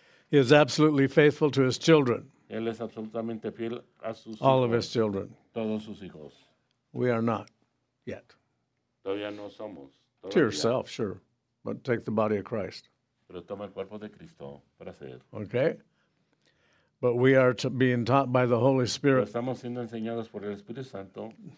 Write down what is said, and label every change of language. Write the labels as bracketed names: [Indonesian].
[English] He is absolutely faithful to his children. [Spanish] Él es absolutamente fiel a sus [English] all [Spanish] hijos, [English] of his children. [Spanish] Todos sus hijos. [English] We are not yet. [Spanish] Todavía no somos. Todavía. [English] To yourself, sure. But take the body of Christ. [Spanish] Pero toma el cuerpo de Cristo para ser. [English] Okay? But we are being taught by the Holy Spirit. [Spanish] Pero estamos siendo enseñados por el Espíritu Santo.